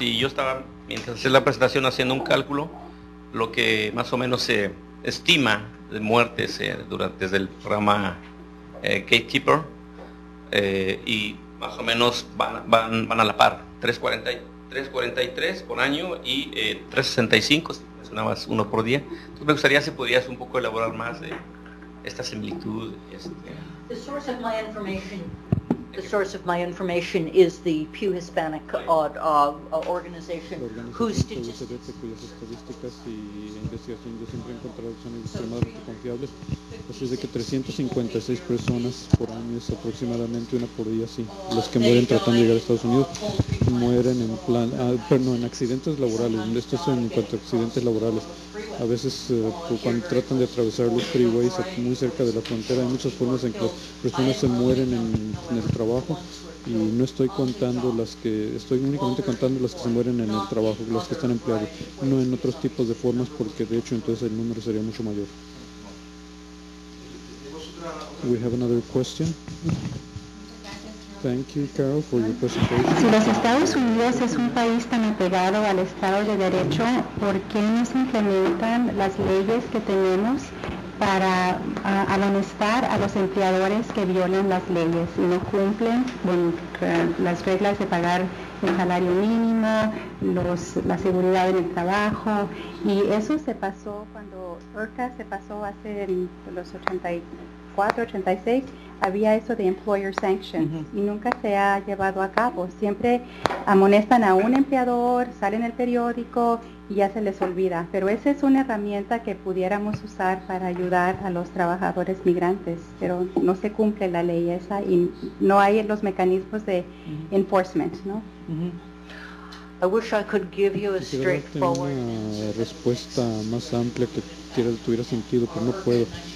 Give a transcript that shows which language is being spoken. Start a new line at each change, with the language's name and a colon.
Spanish: Y yo estaba, mientras hacía la presentación, haciendo un cálculo, lo que más o menos se estima de muertes desde el programa Gatekeeper, y más o menos van a la par, 343 por año y 365, si mencionabas uno por día. Entonces me gustaría si pudieras un poco elaborar más de esta similitud.
English: The source of my information is the Pew Hispanic organization whose
Spanish: estadísticas y investigación yo siempre he encontrado son extremadamente confiables. Así es de que 356 personas por año es aproximadamente una por día, sí. Los que mueren tratando de llegar a Estados Unidos mueren en accidentes laborales. Esto es en cuanto a accidentes laborales. A veces cuando tratan de atravesar los freeways muy cerca de la frontera, hay muchas formas en que las personas se mueren en el trabajo y no estoy contando las que, estoy únicamente contando las que se mueren en el trabajo, las que están empleadas, no en otros tipos de formas, porque de hecho entonces el número sería mucho mayor.
English: We have another question. Thank you, Carol, for your presentation.
Spanish: Si los Estados Unidos es un país tan apegado al Estado de Derecho, ¿por qué no se implementan las leyes que tenemos para amonestar a los empleadores que violan las leyes y no cumplen las reglas de pagar el salario mínimo, la seguridad en el trabajo? Y eso se pasó cuando IRCA se pasó hace los 84, 86, había eso de
English: employer sanctions,
Spanish: uh-huh. Y nunca se ha llevado a cabo. Siempre amonestan a un empleador, sale en el periódico y ya se les olvida. Pero esa es una herramienta que pudiéramos usar para ayudar a los trabajadores migrantes, pero no se cumple la ley esa y no hay los mecanismos de uh-huh. enforcement, ¿no? Uh-huh.
English: I wish I could give you a straightforward
Spanish: respuesta más amplia que tuviera sentido, pero no puedo.